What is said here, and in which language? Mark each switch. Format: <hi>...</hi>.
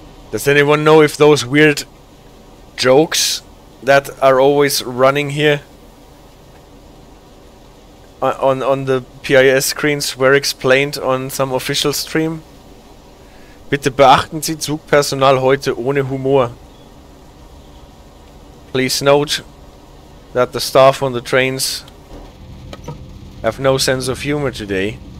<en>Does anyone know if those weird jokes that are always running here on the PIS screens were explained on some official stream?</en> <de>Bitte beachten Sie Zugpersonal heute ohne Humor.</de> <en>Please note that the staff on the trains have no sense of humor today.</en>